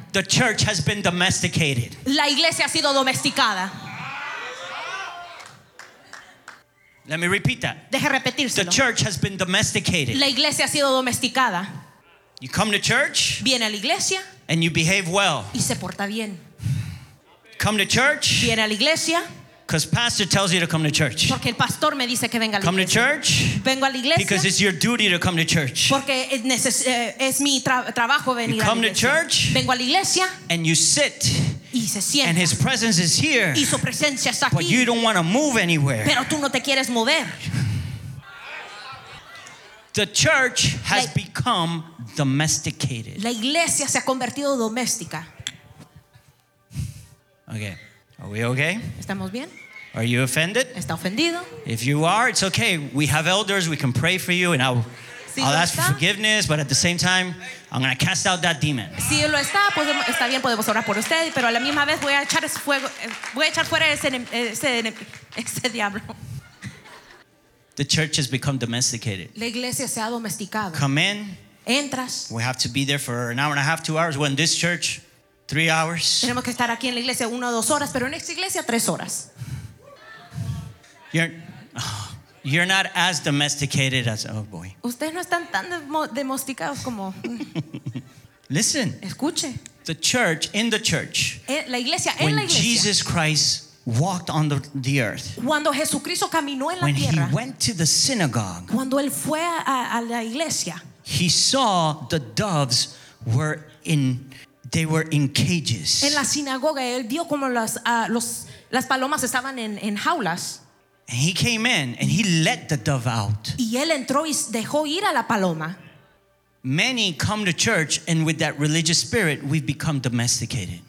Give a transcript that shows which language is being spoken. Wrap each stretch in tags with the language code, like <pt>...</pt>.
<en>The church has been domesticated.</en> <es>La iglesia ha sido domesticada.</es> <en>Let me repeat that.</en> <es>Deje repetírselo.</es> <en>The church has been domesticated.</en> <es>La iglesia ha sido domesticada.</es> <en>You come to church.</en> <es>Viene a la iglesia.</es> <en>And you behave well.</en> <es>Y se porta bien.</es> <en>Come to church.</en> <es>Viene a la iglesia.</es> <en>Because pastor tells you to come to church.</en> <es>Porque el pastor me dice que venga a la</es> <en>come</en> <es>iglesia.</es> <en>To church.</en> <es>Vengo a la iglesia.</es> <en>Because it's your duty to come to church.</en> <es>Porque es mi trabajo venir a la iglesia.</es> <en>You come to church.</en> <es>Vengo a la iglesia.</es> <en>And you sit.</en> <es>Y se sienta.</es> <en>And his presence is here.</en> <es>Y su presencia está aquí.</es> <en>But you don't want to move anywhere.</en> <es>Pero tú no te quieres mover.</es> <en>The church has become domesticated.</en> <es>La iglesia se ha convertido doméstica.</es> <en>Okay. Are we okay?</en> <es>¿Estamos bien?</es> <en>Are you offended?</en> <es>¿Está ofendido?</es> <en>If you are, it's okay. We have elders. We can pray for you, and I'll ask for forgiveness, but at the same time, I'm going to cast out that demon.</en> <es>Si lo está, pues está bien, podemos orar por usted, pero a la misma vez voy a echar fuera ese diablo.</es> <en>The church has become domesticated.</en> <es>La iglesia se ha domesticado.</es> <en>Come in.</en> <es>Entras.</es> <en>We have to be there for an hour and a half, 2 hours. When this church, 3 hours.</en> <es>Tenemos que estar aquí en la iglesia 1 o 2 horas, pero en esta iglesia 3 horas.</es> <en>You're not as domesticated as, oh boy.</en> <es>Ustedes no están tan domesticados como.</es> <en>Listen.</en> <es>Escuche.</es> <en>The church, in the church.</en> <es>La iglesia, en la iglesia.</es> <en>When Jesus Christ walked on the earth.</en> <es>Cuando Jesucristo caminó en la tierra.</es> <en>When he went to the synagogue.</en> <es>Cuando él fue a la iglesia.</es> <en>He saw the doves were in cages.</en> <es>En la sinagoga él vio como las palomas estaban en jaulas.</es> <en>And he came in and he let the dove out.</en> <es>Y él entró y dejó ir a la paloma.</es> <en>Many come to church and with that religious spirit we've become domesticated.</en>